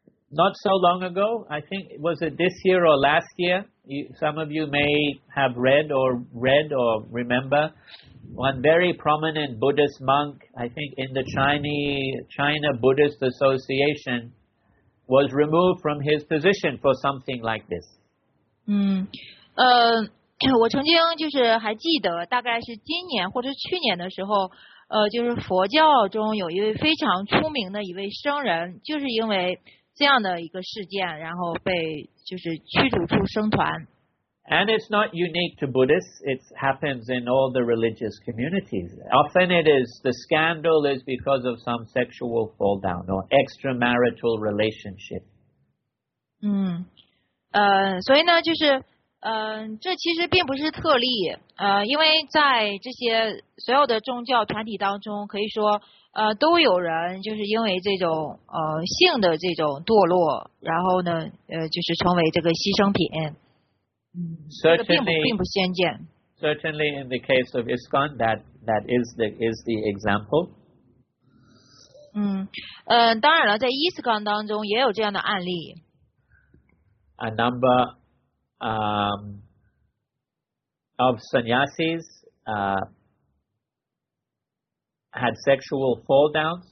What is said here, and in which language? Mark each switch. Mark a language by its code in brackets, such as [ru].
[en] Not so long ago, I think was it this year or last year? Some of you may have read or remember. One very prominent Buddhist monk, I think in the China Buddhist Association, was removed from his position for something like this. [zh] 我曾经就是还记得，大概是今年或者去年的时候，就是佛教中有一位非常出名的一位僧人，就是因为这样的一个事件，然后被就是驱逐出僧团。 [en] And it's not unique to Buddhists. It happens in all the religious communities. Often it is the scandal is because of some sexual fall down or extramarital relationship. [zh] 所以呢，就是这其实并不是特例。因为在这些所有的宗教团体当中，可以说都有人就是因为这种性的这种堕落，然后呢就是成为这个牺牲品。 [en] Certainly, in the case of ISKCON, that is the example. [zh] 当然了，在 ISKCON 当中也有这样的案例。 [en] A number of sannyasis had sexual fall downs.